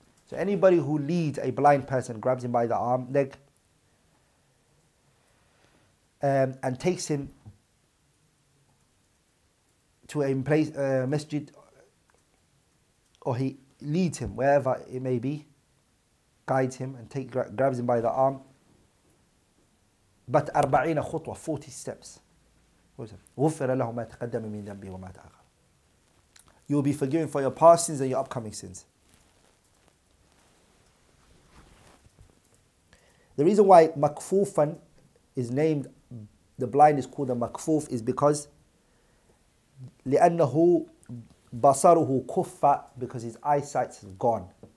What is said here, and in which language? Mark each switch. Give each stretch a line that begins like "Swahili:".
English: So anybody who leads a blind person, grabs him by the arm, leg, and takes him to a place, masjid, or he leads him wherever it may be, guides him and grabs him by the arm. But 40 خطوة, 40 steps.
Arabic: غفر له ما تقدم من ذنبه وما تأخر.
English: You will be forgiven for your past sins and your upcoming sins. The reason why makfufan is named, the blind is called a makfuf, is because
Arabic: لأنه بصره كفى,
English: because his eyesight is gone.